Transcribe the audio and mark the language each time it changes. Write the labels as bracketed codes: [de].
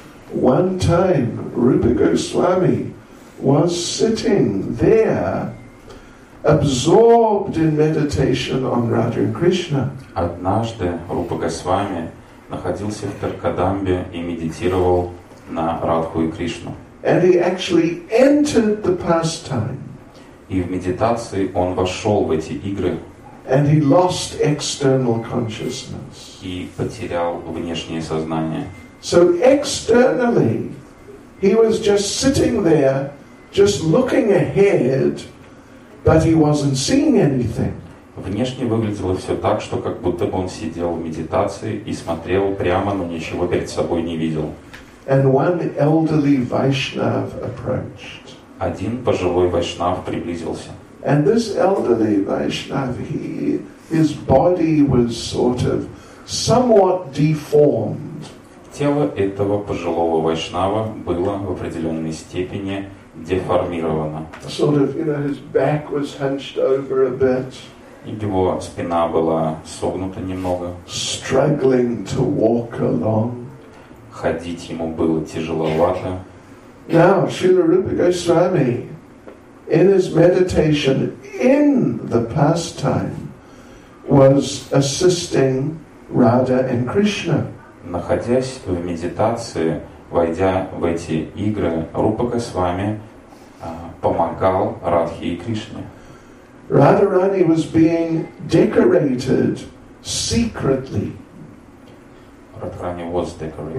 [en] One time, devotees, Rupa Goswami was sitting there absorbed in meditation on Radha and Krishna. [ru] Однажды Рупа Госвами находился в Таркадамбе и медитировал на Радху и Кришну. [en] And he actually entered the pastime. [ru] И в медитации он вошел в эти игры. [en] And he lost external consciousness. [ru] И потерял внешнее сознание. [en] So externally, he was just sitting there, just looking ahead. But he wasn't seeing anything. [ru] Внешне выглядело все так, что как будто он сидел в медитации и смотрел прямо, но ничего перед собой не видел. [en] And one elderly Vaishnav approached. [ru] Один пожилой вайшнав приблизился. [en] And this elderly Vaishnav, his body was sort of somewhat deformed. [ru] Тело этого пожилого вайшнава было в определенной степени деформировано. [en] Sort of, you know, his back was hunched over a bit. [ru] Его спина была согнута немного. [en] Struggling to walk along. [ru] Ходить ему было тяжеловато. [en] Now, Srila Rupa Goswami, in his meditation in the pastime, was assisting Radha and Krishna. [ru] Находясь в медитации, войдя в эти игры, Рупа Госвами помогал Радхе и Кришне. [en] Radharani was being decorated secretly. Radharani was decorated.